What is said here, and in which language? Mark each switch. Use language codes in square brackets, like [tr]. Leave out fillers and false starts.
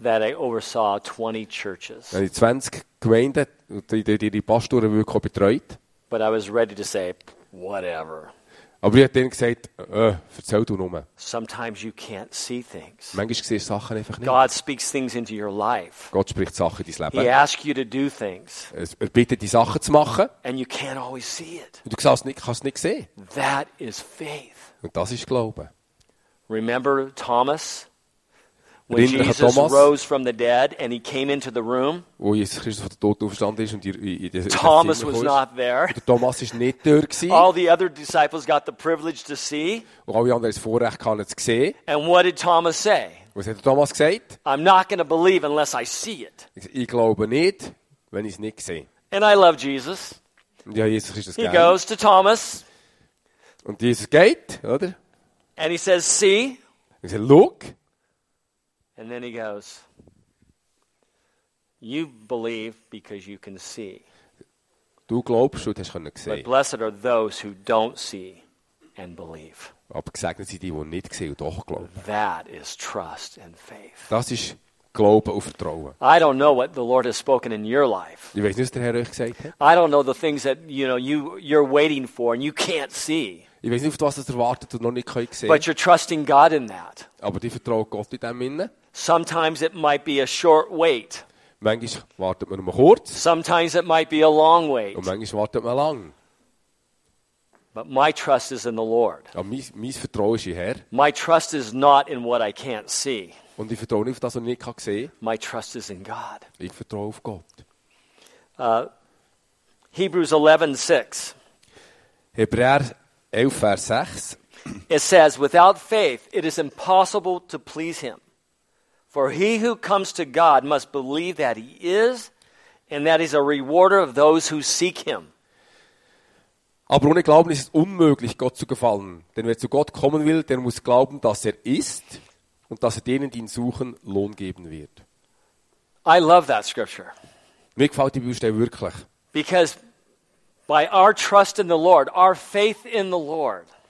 [en] That I oversaw 20 churches. [de] Und ich 20 Gemeinden, die Pastoren wirklich betreut. [en] But I was ready to say whatever. [de] Aber ich habe dann gesagt, erzähl du nur. [en] Sometimes you can't see things. [de] Manchmal siehst du Sachen einfach nicht. [en] God speaks things into your life. [de] Gott spricht Sachen in dein Leben. [en] He asks you to do things. [de] Er bittet dich, Sachen zu machen. [en] And you can't always see it. [de] Und du kannst es nicht sehen. [en] That is faith. [de] Und das ist Glauben. [en] Remember Thomas? When Jesus Thomas, rose from the dead and he came into the room. [de] Wo Jesus Christus von den Toten auferstanden ist und [en] Thomas was not there. [de] Thomas ist nicht dort gewesen. [en] All the other disciples got the privilege to see. [de] Und alle anderen das Vorrecht hatten, zu sehen. [en] And what did Thomas say? [de] Was hat Thomas gesagt? [en] I'm not going to believe unless I see it. [de] Ich glaube nicht, wenn ich es nicht sehe. [en] And I love Jesus. [de] Und ja, Jesus Christus [en] he goes to Thomas. [de] Und Jesus geht, oder? [en] And he says, see. [de] Und er sagt, look. [en] And then he goes, you believe because you can see. [de] Du glaubst, und hast können sehen. [en] But blessed are those who don't see and believe. [de] Aber gesegnet sind die, die nicht sehen und doch glauben. [en] That is trust and faith. [de] Das ist Glauben und Vertrauen. [en] I don't know what the Lord has spoken in your life. [de] Ich weiß nicht, was der Herr euch gesagt hat. [en] I don't know the things that you know you're waiting for and you can't see. [de] Ich weiß nicht, auf was das erwartet und noch nicht gesehen. [en] But you're trusting God in that. [de] Aber die vertrauen Gott in dem innen. [en] Sometimes it might be a short wait. [de] Manchmal wartet man nur kurz. [en] Sometimes it might be a long wait. [de] Und manchmal wartet man lang. [en] But my trust is in the Lord. [de] Aber mein Vertrauen ist in Herr. [en] My trust is not in what I can't see. [de] Und ich vertraue nicht auf das, was ich nicht kann sehen. [en] My trust is in God. [de] Ich vertraue auf Gott. [en] Hebrews 11:6. [de] Hebräer 11, Vers 6. [en] It says, without faith, it is impossible to please him. For he who comes to God must believe that he is, and that he is a rewarder of those who seek him. [de] Aber ohne Glauben ist es unmöglich, Gott zu gefallen. Denn wer zu Gott kommen will, der muss glauben, dass er ist, und dass er denen, die ihn suchen, Lohn geben wird. [en] I love that scripture. [de] Mir gefällt die Bibelstelle wirklich. [en] Because by our trust in the Lord, our faith in the Lord.